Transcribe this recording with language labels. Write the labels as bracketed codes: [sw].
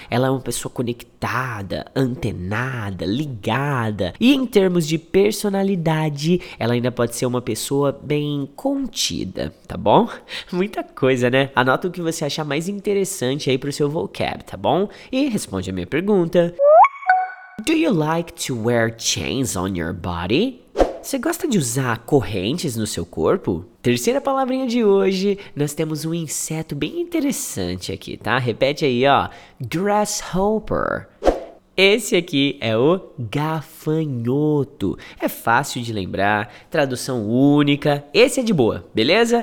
[pt] Ela é uma pessoa conectada, antenada, ligada. E em termos de personalidade, ela ainda pode ser uma pessoa bem contida, tá bom? Muita coisa, né? Anota o que você achar mais interessante aí pro seu vocab, tá bom? E responde a minha pergunta. [en] Do you like to wear chains on your body? [pt] Você gosta de usar correntes no seu corpo? Terceira palavrinha de hoje, nós temos um inseto bem interessante aqui, tá? Repete aí, ó. Grasshopper. Esse aqui é o gafanhoto. É fácil de lembrar, tradução única. Esse é de boa, beleza?